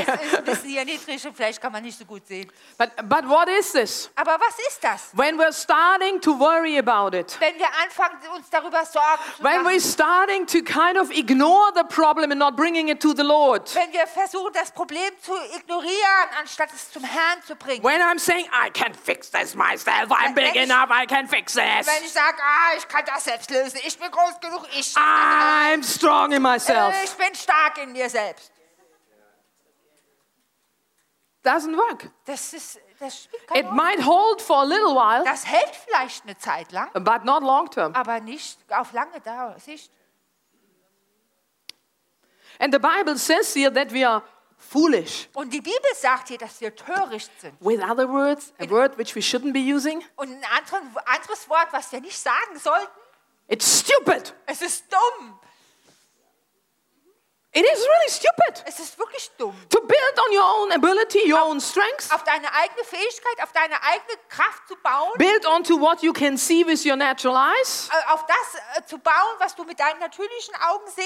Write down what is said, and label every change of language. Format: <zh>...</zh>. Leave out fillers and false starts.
<de>Ich weiß, es ist ein bisschen niedrig und vielleicht kann man nicht so gut sehen.</de> <en>But what is this?</en> <de>Aber was ist das?</de> <en>When we're starting to worry about it.</en> <de>Wenn wir anfangen, uns darüber Sorgen zu machen.</de> <en>When we're starting to kind of ignore the problem and not bringing it to the Lord.</en> <de>Wenn wir versuchen, das Problem zu ignorieren, anstatt es zum Herrn zu bringen.</de> <en>When I'm saying, I can fix this myself, I'm big enough, I can fix this.</en> <de>Wenn ich sage, ich kann das selbst lösen, ich bin groß genug,</de> <en>I'm strong in myself.</en> <de>Ich bin stark in mir selbst.</de> <en>Doesn't work.</en> <de>Das</de> <en>it might hold for a little while.</en> <de>Das hält vielleicht eine Zeit lang.</de> <en>But not long term.</en> <de>Aber nicht auf lange Dauer. Sicht.</de> <en>And the Bible says here that we are foolish.</en> <de>Und die Bibel sagt hier, dass wir töricht sind.</de> <en>With other words, a word which we shouldn't be using.</en> <de>Und ein anderes Wort, was wir nicht sagen sollten.</de> <en>It's stupid.</en> <de>Es ist dumm.</de> <en>It is really stupid.</en> <de>Es ist wirklich dumm.</de> <en>To build on your own ability, your own strength.</en> <de>Auf deine eigene Fähigkeit, auf deine eigene Kraft zu bauen.</de> <en>Build onto what you can see with your natural eyes.</en> <de>Auf das zu bauen, was du mit deinen natürlichen Augen sehen</de>